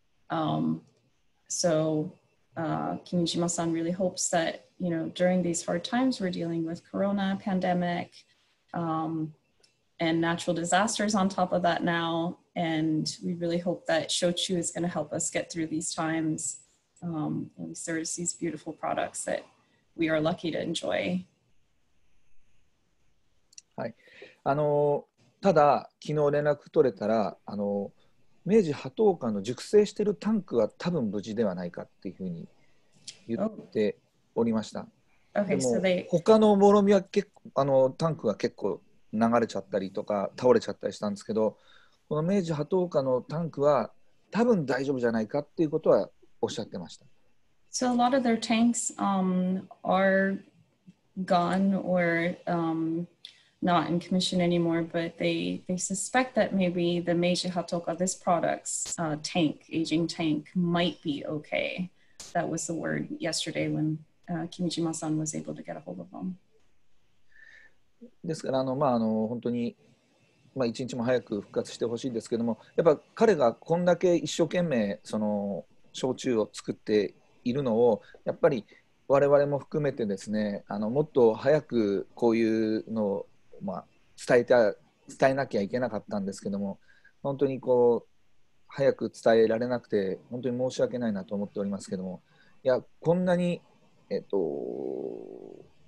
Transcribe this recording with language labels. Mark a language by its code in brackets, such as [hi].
[en] Kimijima-san really hopes that, you know, during these hard times we're dealing with corona pandemic and natural disasters on top of that now. And we really hope that shochu is going to help us get through these times. And we serve these beautiful products that we are lucky to enjoy. Hi. [ja] ただ昨日連絡取れたら、明治8日の熟成してるタンクは多分無事ではないかっていうふうに言っておりました。他のもろみは結構タンクが結構流れちゃったりとか倒れちゃったりしたんですけど、この明治8日のタンクは多分大丈夫じゃないかっていうことはおっしゃってました。 [en] So a lot of their tanks, are gone or, not in commission anymore, but they suspect that maybe the Meiji Hatoka, this product's tank, aging tank, might be okay. That was the word yesterday when Kimijima-san was able to get a hold of them. [ja] ですから、まあ、本当に、まあ、一日も早く復活してほしいですけども、やっぱ彼がこんだけ一生懸命その焼酎を作っているのを、やっぱり我々も含めてですね、もっと早くこういうのをまあ、伝えなきゃいけなかったんですけども、本当にこう早く伝えられなくて本当に申し訳ないなと思っておりますけども、いやこんなにこ